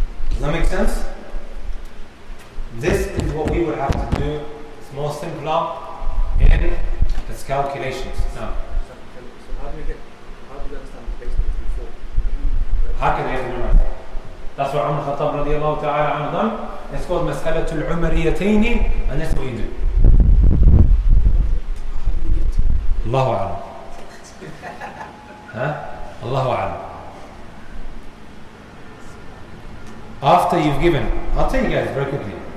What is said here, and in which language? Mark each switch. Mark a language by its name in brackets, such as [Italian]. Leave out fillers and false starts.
[English] Does that make sense? This is what we would have to do. It's more simpler in the calculations. So how do we get, how do we understand the base? [Arabic] هكذا يبني المعنى. [English] That's what عمر الخطاب رضي الله تعالى عنه done. It's called مسألة العمريتين, and that's what you do. [Arabic] الله أعلم. الله أعلم. [English] After you've given, I'll tell you guys very quickly.